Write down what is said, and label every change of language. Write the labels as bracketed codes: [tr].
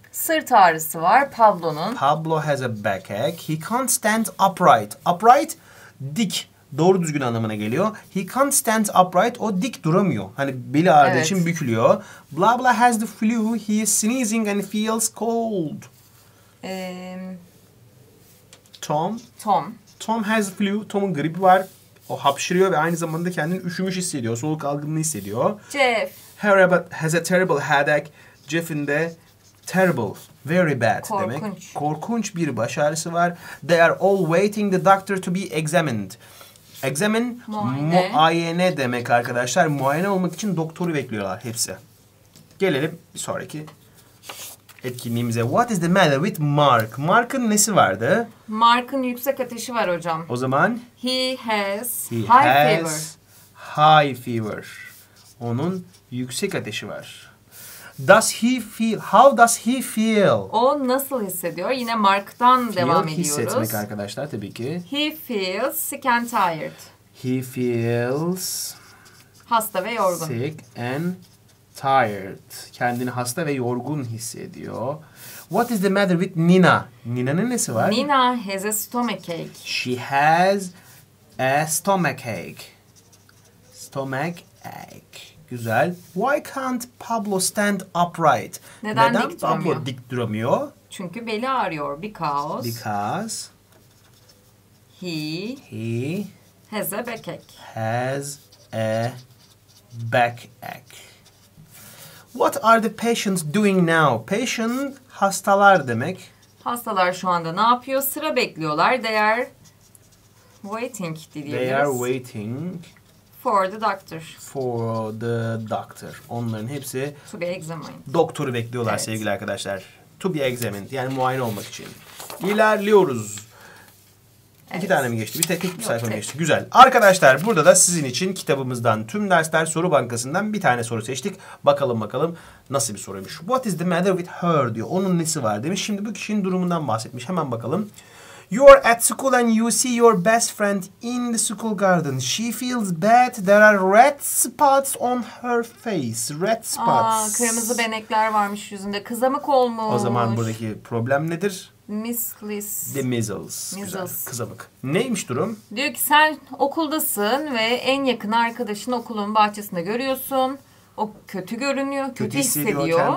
[tr] Sırt ağrısı var Pablo'nun. [en] Pablo has a backache. He can't stand upright. Upright, dik. [tr] Doğru düzgün anlamına geliyor. [en] He can't stand upright. [tr] O dik duramıyor. Hani beli ağrıdığı evet. için bükülüyor. [en] Blah blah has the flu. He is sneezing and feels cold. Tom. Tom has flu. [tr] Tom'un gribi var. O hapşırıyor ve aynı zamanda kendini üşümüş hissediyor. Soluk algınlığı hissediyor. Jeff. [en] Has a terrible headache. Jeff'in de terrible. Very bad [tr] korkunç. Demek. Korkunç bir baş ağrısı var. [en] They are all waiting the doctor to be examined. Examine, [tr] muayene demek arkadaşlar. Muayene olmak için doktoru bekliyorlar hepsi. Gelelim bir sonraki etkinliğimize. [en] What is the matter with Mark? [tr] Mark'ın nesi vardı? Mark'ın yüksek ateşi var hocam. O zaman? [en] He has high fever. [tr] Onun yüksek ateşi var. [en] Does he feel? How does he feel? [tr] O nasıl hissediyor? Yine Mark'tan [en] feel [tr] devam ediyoruz. Feel hissetmek arkadaşlar tabii ki. [en] He feels sick and tired. He feels... [tr] Hasta ve yorgun. [en] Sick and tired. [tr] Kendini hasta ve yorgun hissediyor. [en] What is the matter with Nina? [tr] Nina'nın nesi var? [en] Nina has a stomach ache. She has a stomach ache. Stomach ache. Güzel. Why can't Pablo stand upright? [tr] Neden dik Pablo duramıyor? Dik duramıyor? Çünkü beli ağrıyor. Because. [en] Because. He. He. Has a backache. Has a backache. What are the patients doing now? [tr] Patient hastalar demek. Hastalar şu anda ne yapıyor? Sıra bekliyorlar. [en] They are waiting [tr] diyebiliriz. [en] They are waiting. For the doctor. For the doctor. [tr] Onların hepsi... [en] To be examined. [tr] Doktoru bekliyorlar evet. Sevgili arkadaşlar. [en] To be examined. [tr] Yani muayene olmak için. İlerliyoruz. Evet. İki tane mi geçti? Bir tek, tek bir sayfa mı geçti? Güzel. Arkadaşlar burada da sizin için kitabımızdan tüm dersler soru bankasından bir tane soru seçtik. Bakalım nasıl bir soruymuş. [en] What is the matter with her diyor. [tr] Onun nesi var demiş. Şimdi bu kişinin durumundan bahsetmiş. Hemen bakalım. [en] You are at school and you see your best friend in the school garden. She feels bad. There are red spots on her face. Red spots. [tr] Aa, kırmızı benekler varmış yüzünde. Kızamık olmuş. O zaman buradaki problem nedir? [en] Miskliz. The measles. Güzel. [tr] Kızamık. Neymiş durum? Diyor ki sen okuldasın ve en yakın arkadaşını okulun bahçesinde görüyorsun. O kötü görünüyor. Kötü hissediyor